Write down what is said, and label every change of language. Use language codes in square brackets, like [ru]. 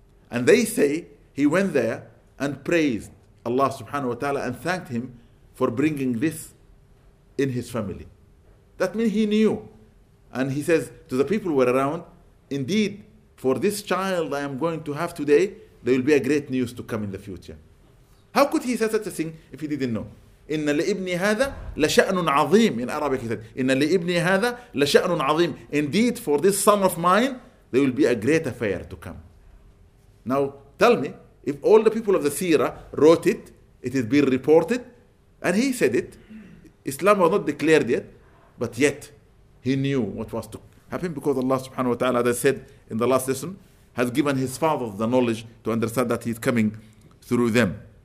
[en] And they say he went there and praised Allah subhanahu wa ta'ala and thanked him for bringing this in his family. That means he knew. And he says to the people who were around, indeed, for this child I am going to have today, there will be a great news to come in the future. How could he say such a thing if he didn't know? [ar] إن لابني هذا لشأن عظيم. [en] In Arabic he said, [ar] إن لابني هذا لشأن عظيم. [en] Indeed, for this son of mine, there will be a great affair to come. Now, tell me, if all the people of the seerah wrote it, it is being reported, and he said it, Islam was not declared yet, but yet he knew what was to happen because Allah subhanahu wa ta'ala, as I said in the last lesson, has given his father the knowledge to understand that he's coming through them.